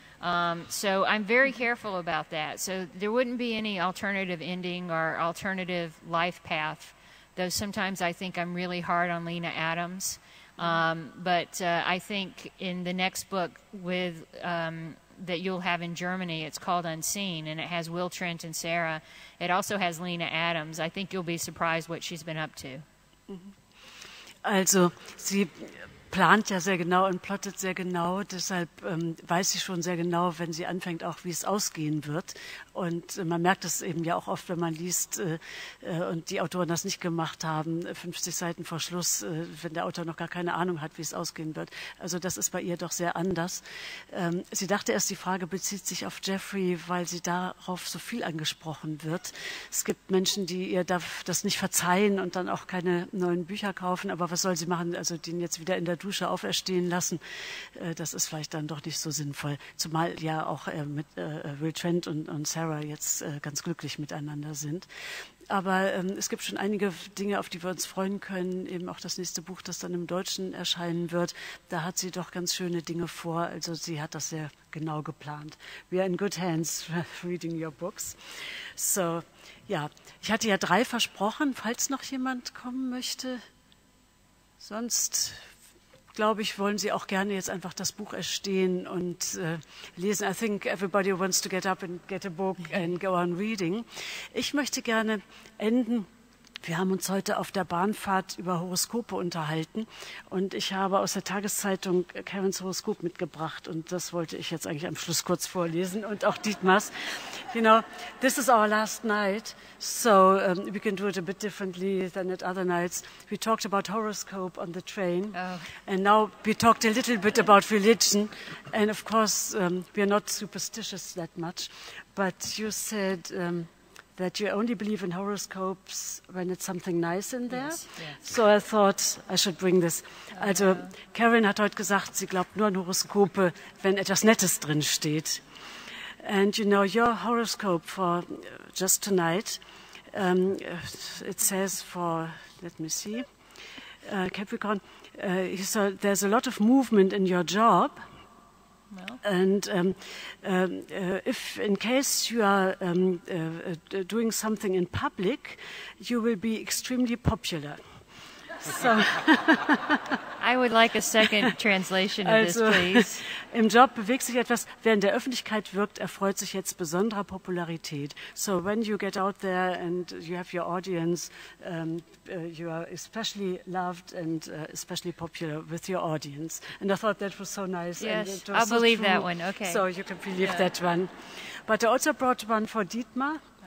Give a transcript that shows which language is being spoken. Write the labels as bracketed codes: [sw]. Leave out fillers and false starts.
[en] So I'm very careful about that. So there wouldn't be any alternative ending or alternative life path, though sometimes I think I'm really hard on Lena Adams. I think in the next book with... that you'll have in Germany, it's called Unseen, and it has Will Trent and Sarah. It also has Lena Adams. I think you'll be surprised what she's been up to. [de] Also, sie plant ja sehr genau und plottet sehr genau, deshalb weiß sie schon sehr genau, wenn sie anfängt, auch wie es ausgehen wird. Und man merkt es eben ja auch oft, wenn man liest und die Autoren das nicht gemacht haben, 50 Seiten vor Schluss, wenn der Autor noch gar keine Ahnung hat, wie es ausgehen wird. Also das ist bei ihr doch sehr anders. Sie dachte erst, die Frage bezieht sich auf Jeffrey, weil sie darauf so viel angesprochen wird. Es gibt Menschen, die ihr das nicht verzeihen und dann auch keine neuen Bücher kaufen. Aber was soll sie machen, also den jetzt wieder in der Dusche auferstehen lassen? Das ist vielleicht dann doch nicht so sinnvoll. Zumal ja auch mit Will Trent und Sarah jetzt ganz glücklich miteinander sind. Aber es gibt schon einige Dinge, auf die wir uns freuen können. Eben auch das nächste Buch, das dann im Deutschen erscheinen wird. Da hat sie doch ganz schöne Dinge vor. Also sie hat das sehr genau geplant. [en] We are in good hands reading your books. [de] So, ja, ich hatte ja drei versprochen, falls noch jemand kommen möchte. Sonst, glaube ich, wollen Sie auch gerne jetzt einfach das Buch erstehen und lesen. [en] I think everybody wants to get up and get a book and go on reading. [de] Ich möchte gerne enden Wir haben uns heute auf der Bahnfahrt über Horoskope unterhalten und ich habe aus der Tageszeitung Karens Horoskop mitgebracht und das wollte ich jetzt eigentlich am Schluss kurz vorlesen und auch Dietmars. [en] You know, this is our last night, so we can do it a bit differently than at other nights. We talked about horoscope on the train and now we talked a little bit about religion and of course we are not superstitious that much, but you said... that you only believe in horoscopes when it's something nice in there. Yes, yes. So I thought I should bring this. [de] Also Karen hat heute gesagt, sie glaubt nur an Horoskope, wenn etwas Nettes drin steht. [en] And you know, your horoscope for just tonight, it says for, let me see, Capricorn, he saw there's a lot of movement in your job. Well. And if in case you are doing something in public, you will be extremely popular. So I would like a second translation of also, this, please. [de] Im Job bewegt sich etwas, wer in der Öffentlichkeit wirkt, erfreut sich jetzt besonderer Popularität. [en] So when you get out there and you have your audience, you are especially loved and especially popular with your audience. And I thought that was so nice. Yes, and it was I'll so believe true. That one, okay. So you can believe that one. But I also brought one for Dietmar.